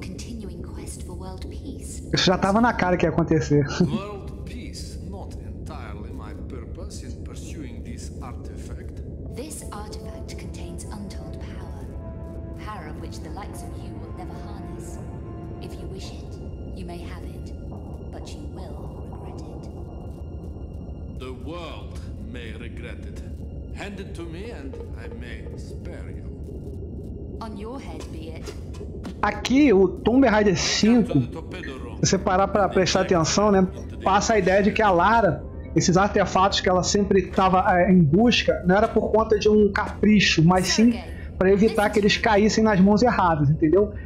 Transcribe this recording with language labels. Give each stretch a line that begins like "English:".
Portuguese: Isso já estava na cara que ia acontecer.
English: World peace, not entirely my purpose in pursuing this artifact. This artifact contains untold power, power of which the likes of you will never harness. If you wish it, you may have it, but you will regret it. The world may regret it. Hand it to me and I may spare you. On your head be it.
Portuguese: Aqui o Tomb Raider 5, se você parar para prestar atenção, né, passa a ideia de que a Lara, esses artefatos que ela sempre estava em busca, não era por conta de um capricho, mas sim para evitar que eles caíssem nas mãos erradas, entendeu?